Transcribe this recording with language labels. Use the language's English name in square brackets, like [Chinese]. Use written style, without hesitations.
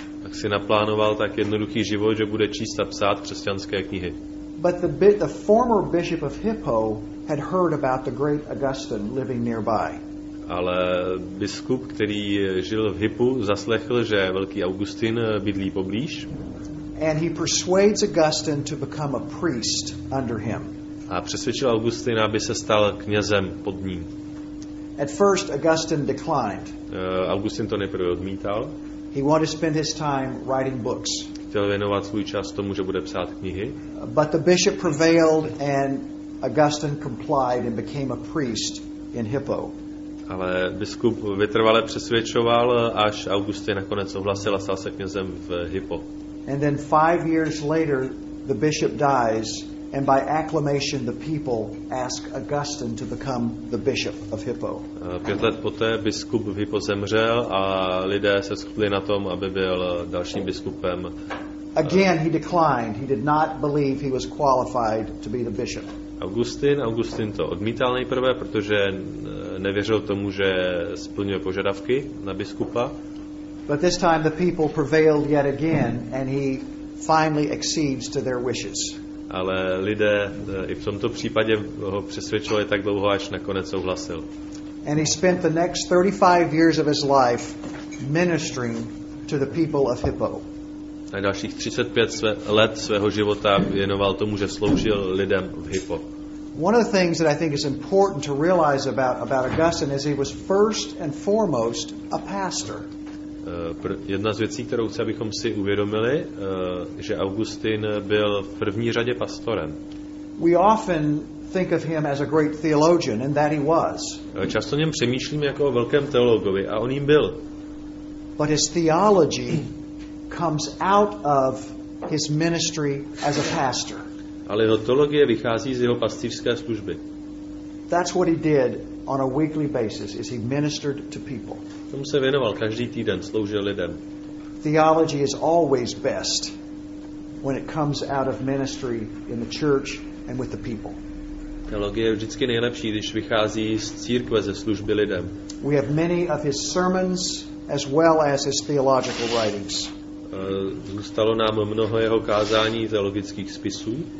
[Czech] Tak si naplánoval tak jednoduchý život, že bude číst a psát křesťanské knihy. [English] But the former bishop of Hippo had heard about the great Augustine living nearby. [Czech] Ale biskup, který žil v Hippu, zaslechl, že velký Augustin bydlí poblíž. [English] And he persuades Augustine to become a priest under him. [Czech] A přesvědčil Augustina, aby se stal knězem pod ním. [English] At first Augustine declined. [Czech] Augustin to nejprve odmítal. [English] He wanted to spend his time writing books. [Czech] Chtěl věnovat svůj čas tomu, že bude psát knihy. [English] But the bishop prevailed and Augustine complied and became a priest in Hippo. [Czech] Ale biskup vytrvale přesvědčoval, až Augustin nakonec souhlasil a stal se knězem v Hippo. [English] And then 5 years later, the bishop dies And by acclamation, the people ask Augustine to become the bishop of Hippo. [Czech] 5 let poté biskup v Hippo zemřel a lidé se shodli na tom, aby byl dalším biskupem. [English] Again, he declined. He did not believe he was qualified to be the bishop. [Czech] Augustin to odmítal nejprve, protože nevěřil tomu, že splňuje požadavky na biskupa. [English] But this time the people prevailed yet again, and he finally accedes to their wishes. [Czech] Ale lidé i v tomto případě ho přesvědčovali tak dlouho, až nakonec souhlasil. [English] And he spent the next 35 years of his life ministering to the people of Hippo. [Czech] A dalších 35 let svého života věnoval tomu, že sloužil lidem v Hippo. [English] One of the things that I think is important to realize about Augustine is he was first and foremost a pastor. [Czech] Jedna z věcí, kterou chci, abychom si uvědomili, že Augustin byl v první řadě pastorem. [English] We often think of him as a great theologian, and that he was. [Czech] Často o něm přemýšlíme jako o velkém teologovi, a on jim byl. [English] But his theology comes out of his ministry as a pastor. [Czech] Ale jeho teologie vychází z jeho pastýřské služby. [English] That's what he did on a weekly basis, is he ministered to people. [Czech] Tomu se věnoval každý týden, sloužil lidem. [English] Theology is always best when it comes out of ministry in the church and with the people. [Czech] Teologie je vždycky nejlepší, když vychází z církve, ze služby lidem. [English] We have many of his sermons as well as his theological writings. [Czech] Zůstalo nám mnoho jeho kázání, teologických spisů.